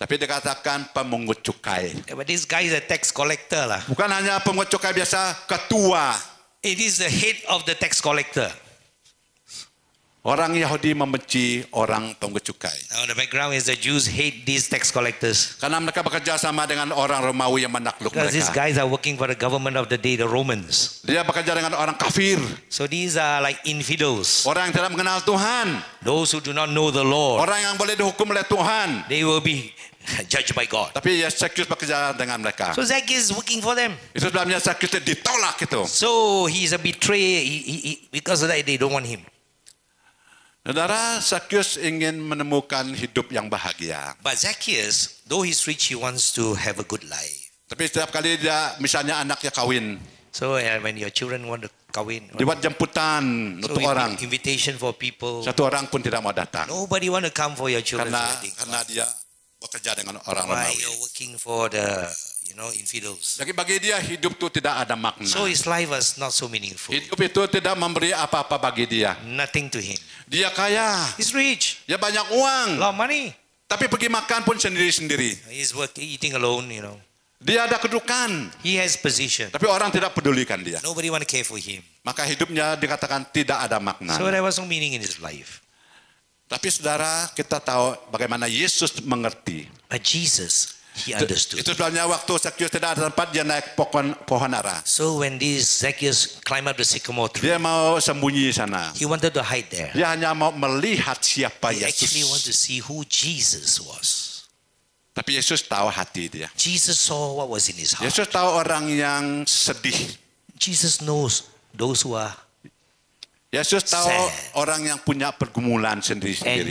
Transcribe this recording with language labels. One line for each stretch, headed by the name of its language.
Indonesian: Tapi dikatakan pemungut cukai.
English: But this guy is a tax collector lah.
Indonesian: Bukan hanya pemungut cukai biasa, ketua.
English: It is the head of the tax collector.
Indonesian: Orang Yahudi membenci orang pemungut cukai.
English: Now the background is the Jews hate these tax collectors.
Indonesian: Karena mereka bekerja sama dengan orang Romawi yang menakluk
English: because
Indonesian: mereka.
English: Because these guys are working for the government of the day, the Romans.
Indonesian: Dia bekerja dengan orang kafir.
English: So these are like infidels.
Indonesian: Orang yang tidak mengenal Tuhan.
English: Those who do not know the Lord.
Indonesian: Orang yang boleh dihukum oleh Tuhan.
English: They will be judged by God.
Indonesian: Tapi ya Zacchaeus bekerja dengan mereka.
English: So Zacchaeus working for them.
Indonesian: Itu sebabnya Zacchaeus ditolak itu.
English: So he is a betrayer because of that they don't want him.
Indonesian: Saudara, Zacchaeus ingin menemukan hidup yang bahagia.
English: But Zacchaeus, though he's rich, he wants to have a good life.
Indonesian: Tapi setiap kali dia, misalnya anaknya kawin.
English: So when your children want to kawin.
Indonesian: Dibuat jemputan
English: so
Indonesian: untuk orang.
English: Invitation for people.
Indonesian: Satu orang pun tidak mau datang.
English: Nobody want to come for your children.
Indonesian: Karena dia bekerja dengan orang Romawi.
English: Why you're working for the, you know, infidels.
Indonesian: Jadi bagi dia hidup itu tidak ada makna.
English: So his life was not so meaningful.
Indonesian: Hidup itu tidak memberi apa-apa bagi dia.
English: Nothing to him.
Indonesian: Dia kaya.
English: He's rich.
Indonesian: Dia banyak uang.
English: Lot of money.
Indonesian: Tapi pergi makan pun sendiri-sendiri.
English: He's eating alone, you know.
Indonesian: Dia ada kedudukan.
English: He has position.
Indonesian: Tapi orang tidak pedulikan dia.
English: Nobody want to care for him.
Indonesian: Maka hidupnya dikatakan tidak ada makna.
English: So there was no meaning in his life.
Indonesian: Tapi saudara, kita tahu bagaimana Yesus mengerti.
English: But Jesus, he understood.
Indonesian: Itu sebabnya waktu Zacchaeus tidak ada tempat, dia naik pohon ara.
English: So when this Zacchaeus climb up the sycamore tree,
Indonesian: dia mau sembunyi sana.
English: He wanted to hide there.
Indonesian: Dia hanya mau melihat siapa
English: he
Indonesian: Yesus.
English: He actually want to see who Jesus was.
Indonesian: Tapi Yesus tahu hati dia.
English: Jesus saw what was in his heart.
Indonesian: Yesus tahu orang yang sedih.
English: Jesus knows those who are.
Indonesian: Yesus tahu
English: sad.
Indonesian: Orang yang punya pergumulan sendiri-sendiri.